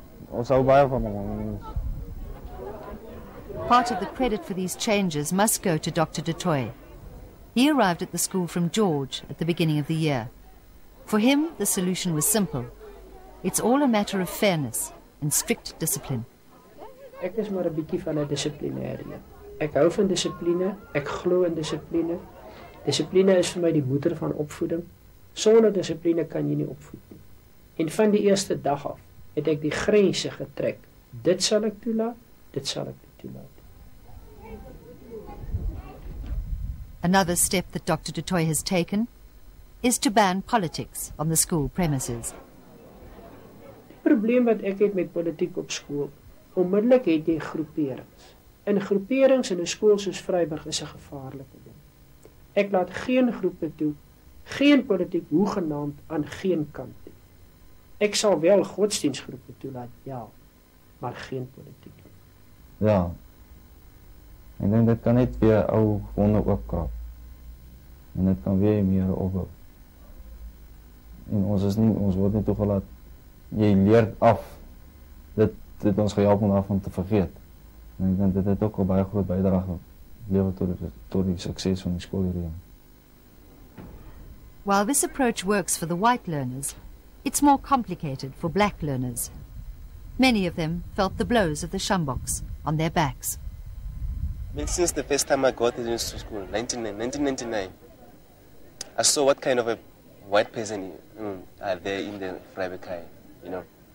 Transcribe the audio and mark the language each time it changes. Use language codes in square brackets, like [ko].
[af] Ons hou baie van hom. [en] Part of the credit for these changes must go to Dr. du Toit. He arrived at the school from George at the beginning of the year. For him, the solution was simple. It's all a matter of fairness and strict discipline. [af] Ek is maar 'n bietjie van 'n disiplinêre. Ek hou van disipline, ek glo in disipline. Disipline is vir my die moeder van opvoeding. Sonder disipline kan jy nie opvoed nie. En van die eerste dag af het ek die grense getrek. Dit sal ek toelaat, dit sal ek nie toelaat. [en] Another step that Dr. du Toit has taken is to ban politics on the school premises. [af] Die probleem wat ek het met politiek op skool, onmiddellik het jy groeperings. En groeperings in 'n skool soos Vryburg is 'n gevaarlike ding. Ek laat geen groepe toe, geen politiek hoegenaamd aan geen kant toe. Ek sal wel godsdienstgroepe toelaat, ja, maar geen politiek. Ja. En dan dit kan net weer ou wonde oopkrap. En dit kan weer meer opbou. En ons is nie, ons word nie toegelaat. Jy leer af. Dit het ons gehelp om daarvan te vergeet. En ek dink dit het ook al baie groot bydrae gelewer tot die sukses van die skool hierdie. [en] While this approach works for the white learners, it's more complicated for black learners. Many of them felt the blows of the shamboks on their backs. Since the first time I got into school, 1999, I saw what kind of a white person are there in the private car, you know.